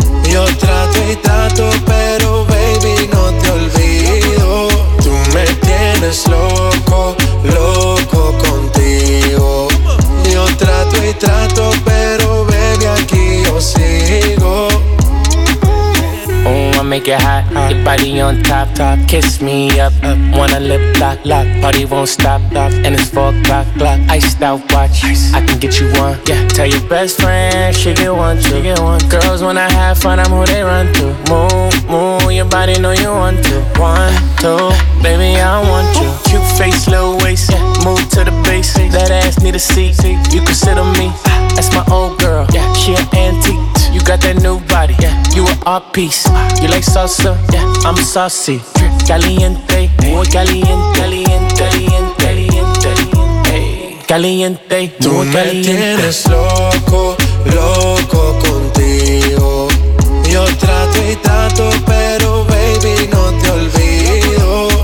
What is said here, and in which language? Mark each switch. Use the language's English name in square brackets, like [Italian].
[Spanish] Yo trato y trato, pero baby no te olvido. Tú me tienes loco, loco contigo. Yo trato y trato, pero baby aquí yo sigo. [English] Make it hot, your body on top, top. Kiss me up, up. Wanna lip lock, lock. Party won't stop, stop. And it's 4 o'clock, iced out watch. Ice. I can get you one, yeah. Tell your best friend she get one, she get one. Girls wanna have fun, I'm who they run to. Move, move your body. body know you want to. One, two, baby, I want you. Cute face, low waist, yeah. Move to the bass. That ass need a seat, you can sit on me. That's my old girl, yeah. She an antique. You got that new body, yeah. You an art piece. You like salsa, yeah. I'm saucy. [Spanish] Caliente, muy caliente, caliente, caliente, caliente, caliente. Tú me tienes loco, loco contigo. Yo trato y trato, pero baby no te olvido.